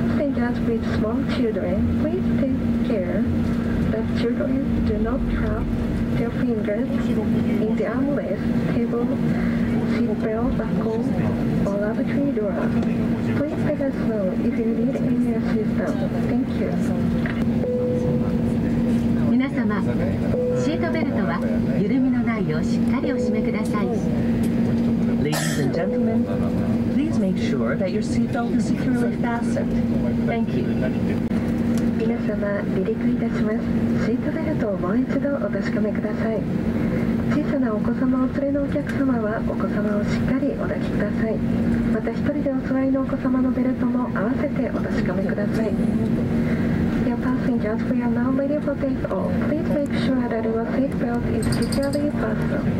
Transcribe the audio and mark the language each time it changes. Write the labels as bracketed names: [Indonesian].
[English] Passengers with small children, please take care that children do not trap their fingers in the armrest, table, seatbelt, buckle, or lavatory door. Please let us know if you need any assistance. Thank you. [Japanese] シートベルトは緩みのないようしっかりお締めください。 [English] Ladies and gentlemen, please make sure that your seatbelt is securely fastened. Thank you. [Japanese] 皆様、離陸いたします。シートベルトをもう一度お確かめください。小さなお子様をお連れのお客様はお子様をしっかりお抱きください。また一人でお座りのお子様のベルトも合わせてお確かめください。 [English] Passengers, we are now ready for takeoff. Please make sure that your seat belt is securely fastened.